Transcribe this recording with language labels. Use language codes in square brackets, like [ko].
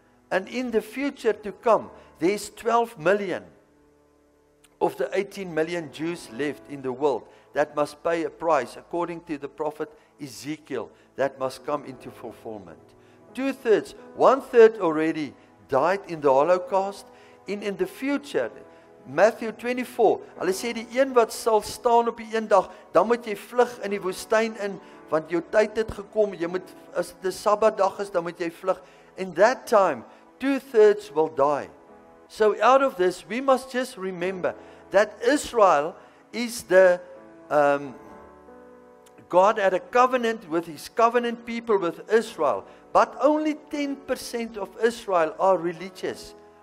[en] And in the future to come, there's 12 million of the 18 million Jews left in the world that must pay a price according to the prophet Ezekiel that must come into fulfillment. Two-thirds, one-third already died in the Holocaust. In the future, [af] Matthew 24, hulle sê die een wat sal staan op die een dag, dan moet jy vlug in die woestyn in, want jou tyd het gekom, jy moet, as het 'n Sabbatdag is, dan moet jy vlug. [en] In that time, two-thirds will die. So out of this, we must just remember that Israel is the God had a covenant with his covenant people with Israel. But only 10% of Israel are religious.